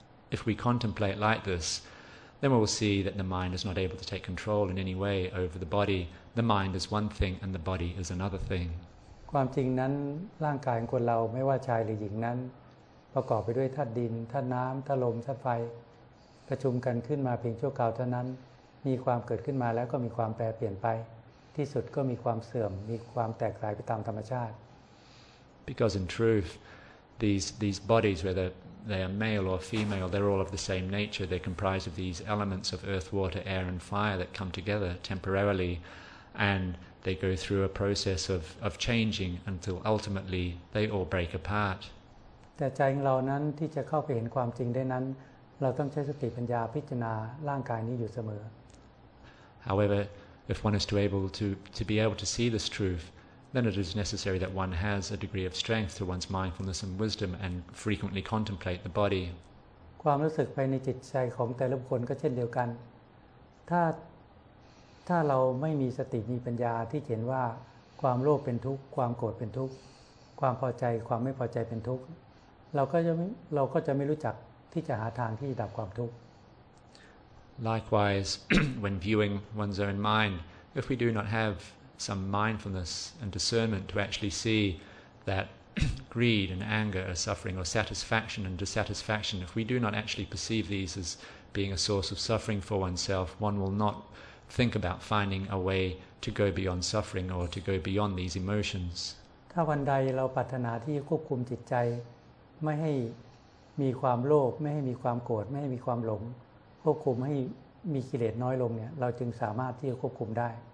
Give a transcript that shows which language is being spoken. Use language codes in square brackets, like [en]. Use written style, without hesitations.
[en] If we contemplate like this, then we will see that the mind is not able to take control in any way over the body. The mind is one thing and the body is another thing. [th] ความจริงนั้นร่างกายของคนเราไม่ว่าชายหรือหญิงนั้นประกอบไปด้วยธาตุดินธาตุน้ําธาตุลมธาตุไฟประชุมกันขึ้นมาเพียงชั่วคราวเท่านั้นมีความเกิดขึ้นมาแล้วก็มีความแปรเปลี่ยนไปที่สุดก็มีความเสื่อมมีความแตกสลายไปตามธรรมชาติ [en] Because in truth these bodies whether they are male or female they're all of the same nature they're comprised of these elements of earth water air and fire that come together temporarilyAnd they go through a process of changing until ultimately they all break apart. [th] แต่ใจเรานั้นที่จะเข้าไปเห็นความจริงได้นั้นเราต้องใช้สติปัญญาพิจารณาร่างกายนี้อยู่เสม [en] อ However, if one is to be able to see this truth, then it is necessary that one has a degree of strength to one's mindfulness and wisdom and frequently contemplate the body. [th] ความรู้สึกภายในจิตใจของแต่ละคนก็เช่นเดียวกันถ้าเราไม่มีสติมีปัญญาที่เห็นว่าความโลภเป็นทุกข์ความโกรธเป็นทุกข์ความพอใจความไม่พอใจเป็นทุกข์เราก็จะไม่รู้จักที่จะหาทางที่จะดับความทุกข์ [en] Likewise when viewing one's own mind if we do not have some mindfulness and discernment to actually see that greed and anger are suffering or satisfaction and dissatisfaction if we do not actually perceive these as being a source of suffering for oneself one will notthink about finding a way to go beyond suffering or to go beyond these emotions [th] ถ้าวันใดเราปรารถนาที่ควบคุมจิตใจไม่ให้มีความโลภไม่ให้มีความโกรธไม่ให้มีความหลงควบคุมให้มีกิเลสน้อยลงเนี่ยเราจึงสามารถที่จะควบคุมได